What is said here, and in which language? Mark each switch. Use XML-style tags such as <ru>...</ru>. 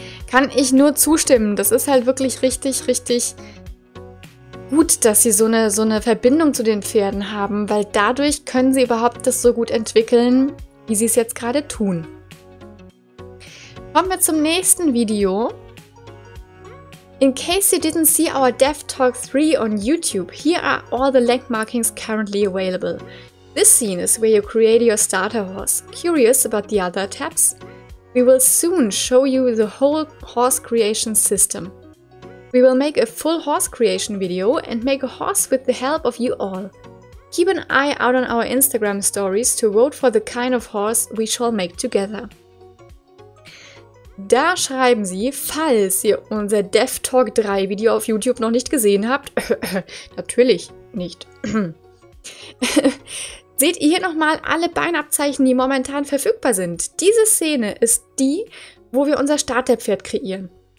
<de>Kann ich nur zustimmen. Das ist halt wirklich richtig, richtig gut, dass sie so eine Verbindung zu den Pferden haben, weil dadurch können sie überhaupt das so gut entwickeln, wie sie es jetzt gerade tun. Kommen wir zum nächsten Video.</de> <en>In case you didn't see our Dev Talk 3 on YouTube, here are all the leg markings currently available. This scene is where you create your starter horse. Curious about the other tabs? We will soon show you the whole horse creation system. We will make a full horse creation video and make a horse with the help of you all. Keep an eye out on our Instagram stories to vote for the kind of horse we shall make together.</en> <de>Da schreiben sie, falls ihr unser Dev Talk 3 Video auf YouTube noch nicht gesehen habt, natürlich nicht. Seht ihr hier nochmal alle Beinabzeichen, die momentan verfügbar sind? Diese Szene ist die, wo wir unser Starterpferd kreieren.</de>